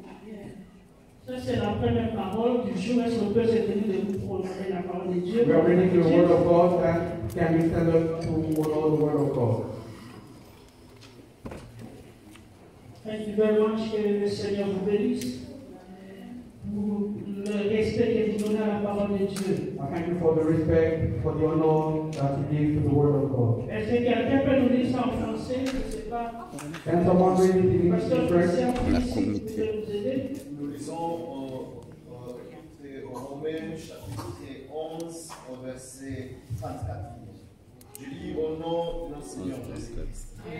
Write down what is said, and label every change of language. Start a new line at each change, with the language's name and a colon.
French: Yeah. Ça, c'est la première parole du jour. Est-ce qu'on peut se tenir de vous prononcer la parole de Dieu?
English: We are reading the word of God and can we stand up to follow the word of God? Thank you very much,
French: que le Seigneur vous bénisse. Le respect que vous donnez à la parole de Dieu.
English: I thank you for the respect, for the honor that you give to the word of God.
French: Est-ce que quelqu'un peut nous lire ça en français?
English: Can someone read it in English?
French: Nous lisons en Romains chapitre 11, verset 34. Je lis au nom de notre Seigneur Jésus Christ.